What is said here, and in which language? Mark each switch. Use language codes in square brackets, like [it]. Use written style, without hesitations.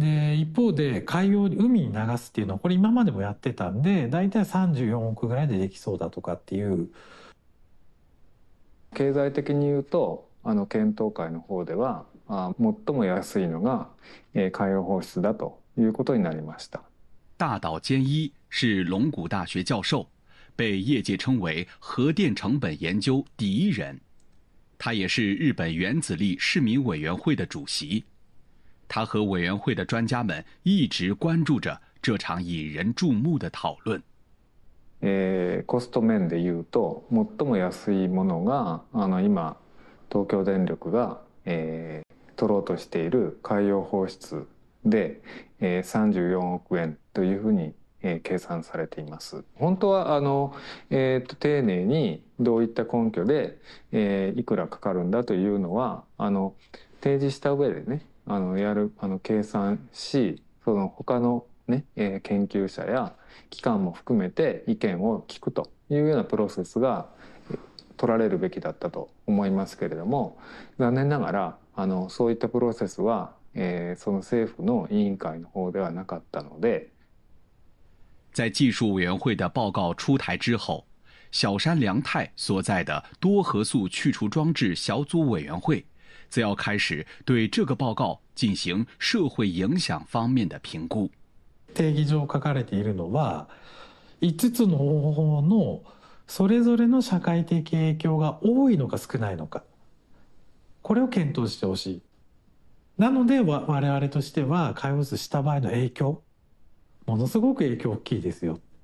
[ja] で、一方で海洋に海に流すっていうのは、これ今までもやってたんで、大体34億ぐらいでできそうだとかっていう。経済的に言うと、検討会の方では最も安いのが海洋放出だということになりました。 [zh] 大岛健一是龙谷大学教授，被业界称为核电成本研究第一人，他也是日本原子力市民委员会的主席。他和委员会的专家们一直关注着这场引人注目的讨论。 [ja] コスト面で言うと、最も安いものが今東京電力が取ろうとしている海洋放出で34億円というふうに計算されています。本当は丁寧にどういった根拠でいくらかかるんだというのは提示した上でね。やる計算し、その他の、ね、研究者や機関も含めて意見を聞くというようなプロセスが取られるべきだったと思いますけれども、残念ながらそういったプロセスは、その政府の委員会の方ではなかったので。 [zh] 在技术委员会的报告出台之后，小山良太所在的多核素去除装置小组委员会则要开始对这个报告进行社会影响方面的评估。 [ja] 定義上書かれているのは、5つの方法のそれぞれの社会的影響が多いのか少ないのか、これを検討してほしい。なので我々としては開発した場合の影響、ものすごく影響大きいですよ。